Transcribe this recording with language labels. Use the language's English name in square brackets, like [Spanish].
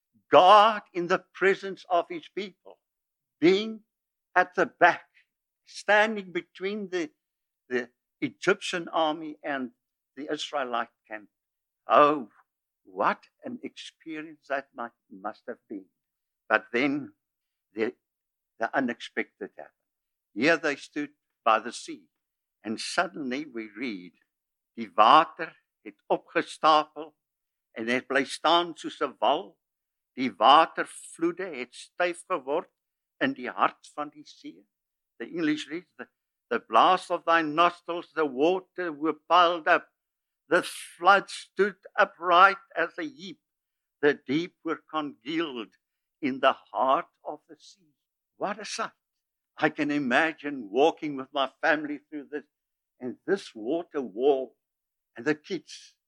[English] God in the presence of his people, being at the back, standing between the Egyptian army and the Israelite camp. Oh, what an experience that must have been. But then the unexpected happened. Here they stood by the sea, and suddenly we read, [Afrikaans] die water het opgestapel, en het bly staan soos 'n wal, die water vloede het styf geword, in die hart van die see. [English] The English reads, the blast of thy nostrils, the water were piled up. The flood stood upright as a heap. The deep were congealed in the heart of the sea. What a sight. I can imagine walking with my family through this, and this water wall, and the kids.